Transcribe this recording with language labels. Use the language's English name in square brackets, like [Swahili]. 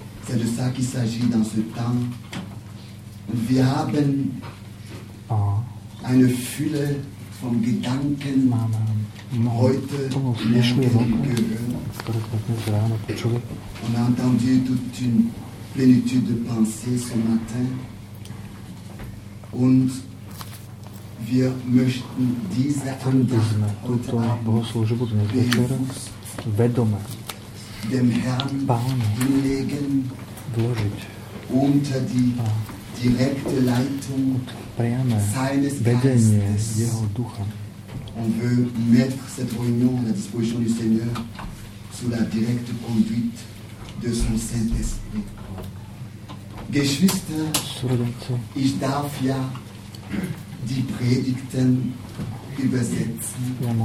[French] C'est de ça qu'il s'agit dans ce temps. [German] Wir haben eine Fülle von Gedanken heute [French] on a entendu toute une plénitude de pensées ce matin [German] und wir möchten diese Andacht heute Abend dem Herrn hinlegen unter die direkte Leitung seines Geistes. [French] On veut mettre cette réunion à la disposition du Seigneur sous la directe conduite de son Saint-Esprit. [German] Geschwister, ich darf ja die Predigten übersetzen.